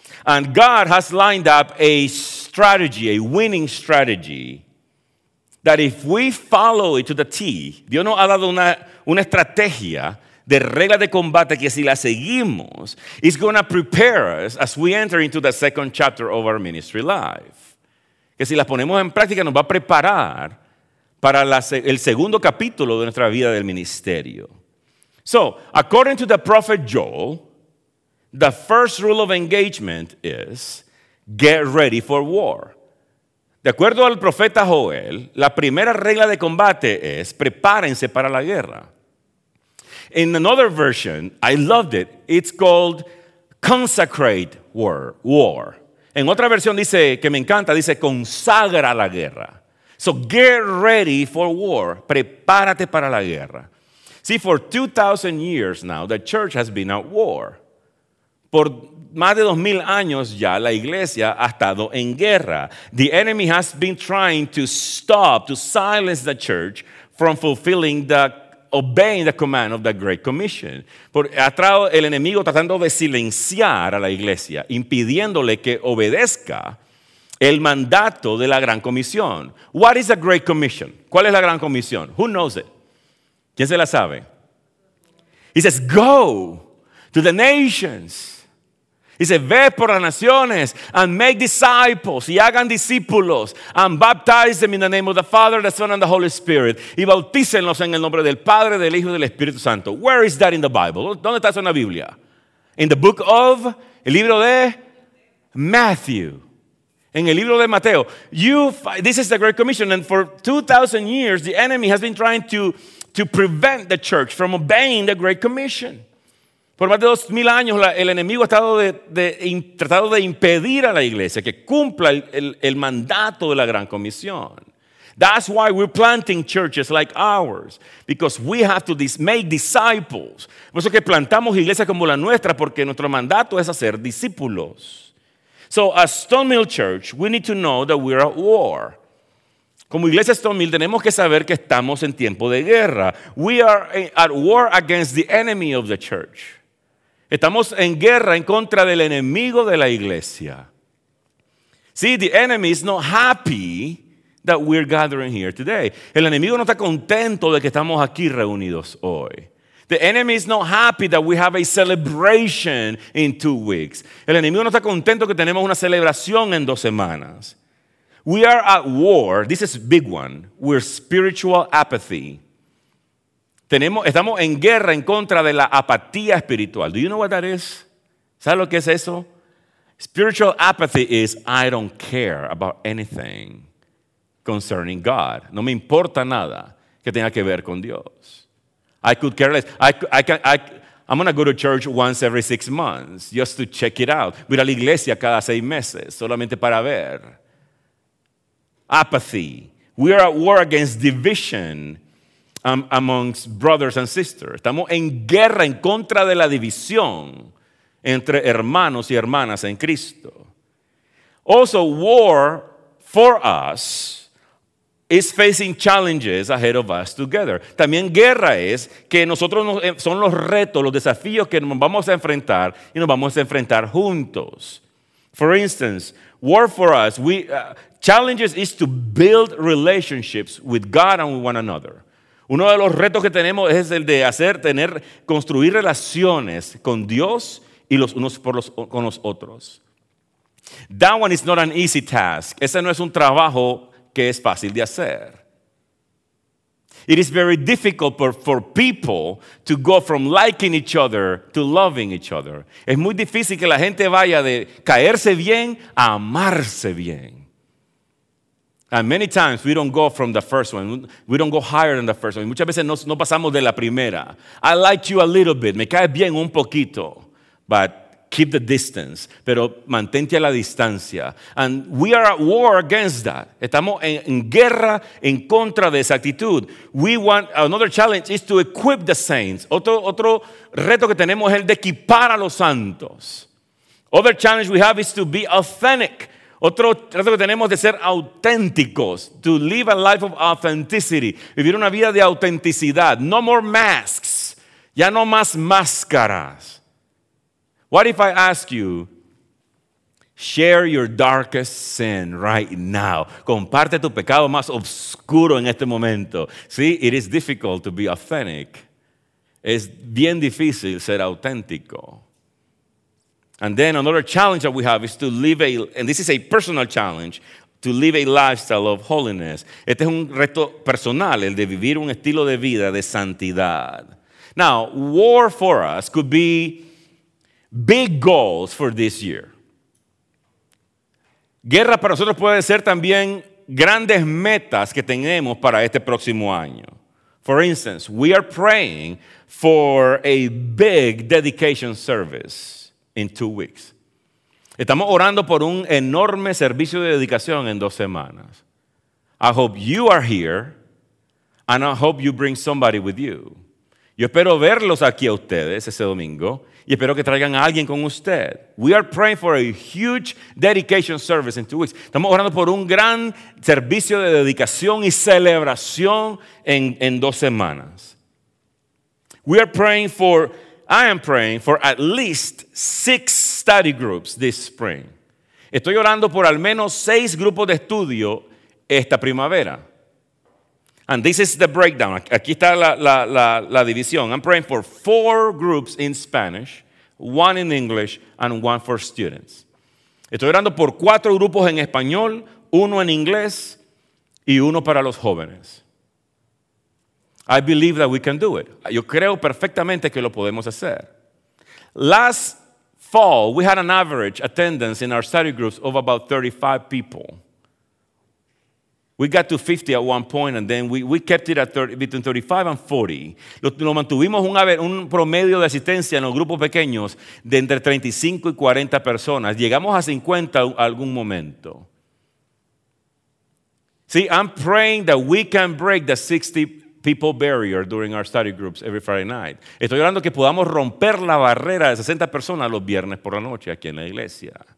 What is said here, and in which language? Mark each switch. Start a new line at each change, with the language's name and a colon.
English: And God has lined up a strategy, a winning strategy, that if we follow it to the T,
Spanish: Dios nos ha dado una estrategia de reglas de combate que si la seguimos,
English: it's going to prepare us as we enter into the second chapter of our ministry life.
Spanish: Que si las ponemos en práctica, nos va a preparar para el segundo capítulo de nuestra vida del ministerio.
English: So, according to the prophet Joel, the first rule of engagement is get ready for war.
Spanish: De acuerdo al profeta Joel, la primera regla de combate es prepárense para la guerra.
English: In another version, I loved it. It's called consecrate war.
Spanish: En otra versión dice, que me encanta, dice consagra la guerra.
English: So, get ready for war.
Spanish: Prepárate para la guerra.
English: See, for 2,000 years now, the church has been at war.
Spanish: Por más de 2,000 años ya, la iglesia ha estado en guerra.
English: The enemy has been trying to stop, to silence the church from fulfilling obeying the command of the Great Commission.
Spanish: El enemigo tratando de silenciar a la iglesia, impidiéndole que obedezca el mandato de la Gran Comisión.
English: What is the Great Commission?
Spanish: ¿Cuál es la Gran Comisión?
English: Who knows it?
Spanish: ¿Quién se la sabe?
English: He says, go to the nations. He says,
Spanish: ve por las naciones
English: and make disciples.
Spanish: Y hagan discípulos.
English: And baptize them in the name of the Father, the Son, and the Holy Spirit.
Spanish: Y bautícenlos en el nombre del Padre, del Hijo y del Espíritu Santo.
English: Where is that in the Bible?
Spanish: ¿Dónde está eso en la Biblia?
English: In the book of,
Spanish: el libro de
English: Matthew.
Spanish: En el libro de Mateo,
English: this is the Great Commission, and for 2,000 years, the enemy has been trying to prevent the church from obeying the Great Commission.
Spanish: Por más de 2,000 años, el enemigo ha estado tratando de impedir a la iglesia que cumpla el mandato de la Gran Comisión.
English: That's why we're planting churches like ours, because we have to make disciples.
Spanish: Por eso que plantamos iglesias como la nuestra, porque nuestro mandato es hacer discípulos.
English: So as Stone Mill Church, we need to know that we're at war.
Spanish: Como iglesia Stone Mill, tenemos que saber que estamos en tiempo de guerra.
English: We are at war against the enemy of the church.
Spanish: Estamos en guerra en contra del enemigo de la iglesia.
English: See, the enemy is not happy that we're gathering here today.
Spanish: El enemigo no está contento de que estamos aquí reunidos hoy.
English: The enemy is not happy that we have a celebration in 2 weeks.
Spanish: El enemigo no está contento que tenemos una celebración en 2 semanas.
English: We are at war. This is a big one. We're spiritual apathy.
Spanish: Estamos en guerra en contra de la apatía espiritual.
English: Do you know what that is?
Spanish: ¿Sabes lo que es eso?
English: Spiritual apathy is I don't care about anything concerning God.
Spanish: No me importa nada que tenga que ver con Dios.
English: I could care less. I'm going to go to church once every 6 months just to check it out.
Spanish: Voy a la iglesia cada 6 meses solamente para ver.
English: Apathy. We are at war against division amongst brothers and sisters.
Spanish: Estamos en guerra en contra de la división entre hermanos y hermanas en Cristo.
English: Also, war for us is facing challenges ahead of us together.
Spanish: También guerra es que nosotros son los retos, los desafíos que nos vamos a enfrentar y nos vamos a enfrentar juntos.
English: For instance, war for us, challenges is to build relationships with God and with one another.
Spanish: Uno de los retos que tenemos es el de construir relaciones con Dios y los unos con los otros.
English: That one is not an easy task.
Spanish: Ese no es un trabajo que es fácil de hacer.
English: It is very difficult for people to go from liking each other to loving each other.
Spanish: Es muy difícil que la gente vaya de caerse bien a amarse bien.
English: And many times we don't go from the first one. We don't go higher than the first one.
Spanish: Muchas veces no pasamos de la primera.
English: I like you a little bit.
Spanish: Me caes bien un poquito.
English: But keep the distance,
Spanish: pero mantente a la distancia.
English: And we are at war against that.
Spanish: Estamos en guerra en contra de esa actitud.
English: We want another challenge is to equip the saints.
Spanish: Otro reto que tenemos es el de equipar a los santos.
English: Other challenge we have is to be authentic.
Spanish: Otro reto que tenemos es de ser auténticos.
English: To live a life of authenticity.
Spanish: Vivir una vida de autenticidad.
English: No more masks.
Spanish: Ya no más máscaras.
English: What if I ask you, share your darkest sin right now.
Spanish: Comparte tu pecado más oscuro en este momento.
English: See, it is difficult to be authentic.
Spanish: Es bien difícil ser auténtico.
English: And then another challenge that we have is to live and this is a personal challenge, to live a lifestyle of holiness.
Spanish: Este es un reto personal, el de vivir un estilo de vida de santidad.
English: Now, war for us could be big goals for this year.
Spanish: Guerra para nosotros puede ser también grandes metas que tenemos para este próximo año.
English: For instance, we are praying for a big dedication service in 2 weeks.
Spanish: Estamos orando por un enorme servicio de dedicación en 2 semanas.
English: I hope you are here, and I hope you bring somebody with you.
Spanish: Yo espero verlos aquí a ustedes ese domingo y espero que traigan a alguien con usted.
English: We are praying for a huge dedication service in 2 weeks.
Spanish: Estamos orando por un gran servicio de dedicación y celebración en 2 semanas.
English: I am praying for at least 6 study groups this spring.
Spanish: Estoy orando por al menos 6 grupos de estudio esta primavera.
English: And this is the breakdown.
Spanish: Aquí está la división.
English: I'm praying for 4 groups in Spanish, 1 in English, and 1 for students.
Spanish: Estoy orando por 4 grupos en español, 1 en inglés y 1 para los jóvenes. I believe that we can do it. Yo creo perfectamente que lo podemos hacer.
English: Last fall, we had an average attendance in our study groups of about 35 people. We got to 50 at one point, and then we kept it at 30, between 35 and 40.
Spanish: Lo mantuvimos un promedio de asistencia en los grupos pequeños de entre 35 y 40 personas. Llegamos a 50 algún momento.
English: See, I'm praying that we can break the 60 people barrier during our study groups every Friday night.
Spanish: Estoy orando que podamos romper la barrera de 60 personas los viernes por la noche aquí en la iglesia.